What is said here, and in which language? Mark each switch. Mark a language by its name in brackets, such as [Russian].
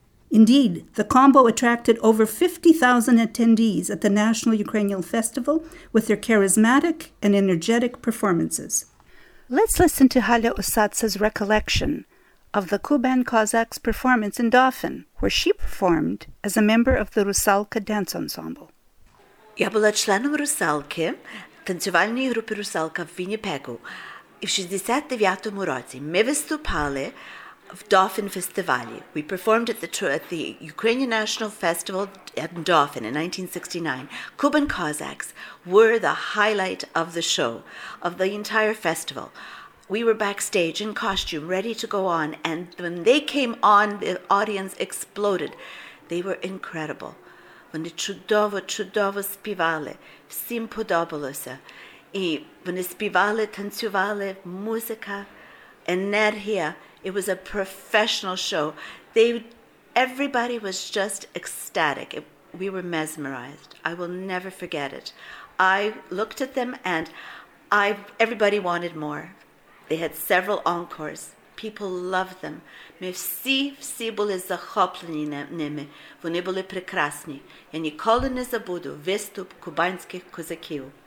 [English] Indeed, the combo attracted over 50,000 attendees at the National Ukrainian Festival with their charismatic and energetic performances. Let's listen to Halya Usatsa's recollection of the Kuban Cossacks' performance in Dauphin, where she performed as a member of the Rusalka dance ensemble. [Ukrainian] Я була членом Русалки, танцювальної групи «Русалка» в Вінніпегу. І в 69-му році ми виступали в Dauphin фестивалі. [English] We performed at the Ukrainian National Festival in Dauphin in 1969. Cuban Cossacks were the highlight of the show, of the entire festival. We were backstage in costume, ready to go on, and when they came on, the audience exploded. They were incredible. [Ukrainian] Вони чудово, чудово співали. Всім подобалося. І вони співали, танцювали, музика, енергія. [English] It was a professional show. Everybody was just ecstatic. We were mesmerized. I will never forget it. I looked at them and everybody wanted more. They had several encores. People loved them. [Ukrainian] Ми всі були захоплені ними. Вони були прекрасні. Я ніколи не забуду виступ кубанських козаків.